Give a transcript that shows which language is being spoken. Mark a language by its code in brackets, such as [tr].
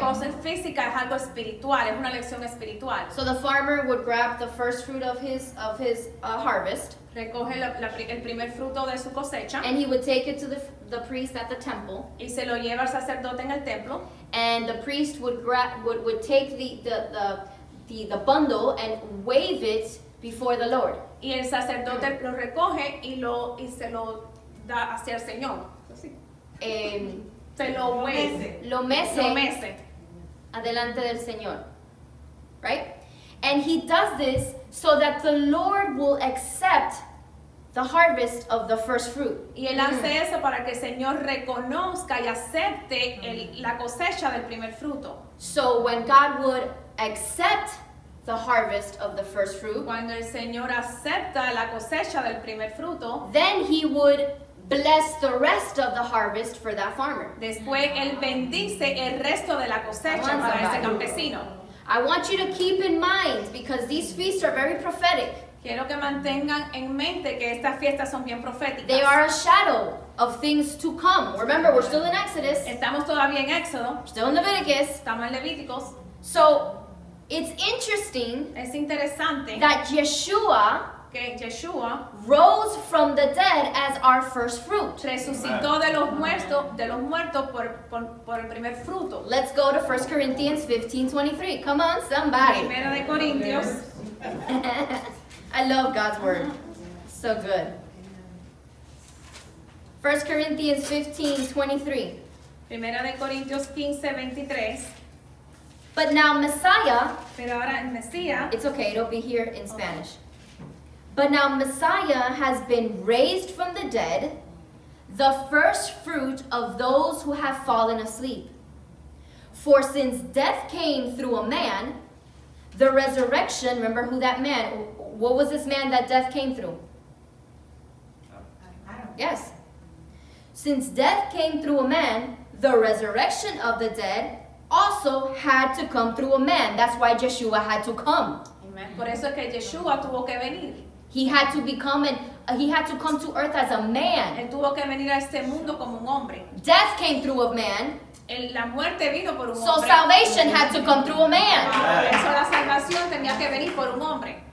[es] La cosa física es algo espiritual, es una lección espiritual. [en] So the farmer would grab the first fruit of his harvest. [es] Recoge el primer fruto de su cosecha. [en] And he would take it to the priest at the temple. [es] Y se lo lleva al sacerdote en el templo. [en] And the priest would take the bundle and wave it before the Lord. [es] Y el sacerdote lo recoge y se lo da hacia el Señor. Se lo mece. Adelante del Señor. [en] Right? And he does this so that the Lord will accept the harvest of the first fruit. [es] Y él hace eso para que el Señor reconozca y acepte la cosecha del primer fruto. [en] So when God would accept the harvest of the first fruit, [es] cuando el Señor acepta la cosecha del primer fruto, [en] then he would bless the rest of the harvest for that farmer. [es] Después él bendice el resto de la cosecha para ese campesino. [en] I want you to keep in mind, because these feasts are very prophetic. [es] Quiero que mantengan en mente que estas fiestas son bien proféticas. [en] They are a shadow of things to come. Remember, we're still in Exodus. [es] Estamos todavía en Éxodo. [en] Still in Leviticus. [es] Estamos en Levíticos. [en] So, it's interesting. [es] Es interesante. [en] That Yeshua. [es] Que Yeshua. [en] Rose from the dead as our first fruit. [es] Resucitó de los muertos por el primer fruto. [en] Let's go to 1 Corinthians 15:23. Come on, somebody. [es] Primera de Corintios. [en] I love God's word. So good. 1 Corinthians 15:23. [es] Primera de Corintios 15:23. [en] But now Messiah. [es] Pero ahora el Mesías. [en] It's okay, it'll be here in Spanish. But now Messiah has been raised from the dead, the first fruit of those who have fallen asleep. For since death came through a man, the resurrection, remember who that man, what was this man that death came through? Adam. Yes. Since death came through a man, the resurrection of the dead also had to come through a man. That's why Yeshua had to come. Amen. [es] Por eso es que Yeshua tuvo que venir. [en] He had to become he had to come to earth as a man. [es] Él tuvo que venir a este mundo como un hombre. [en] Death came through a man. [es] La muerte vino por un so hombre. [en] Salvation had to come through a man. [es] Ah, eso, la salvación tenía que venir por un hombre.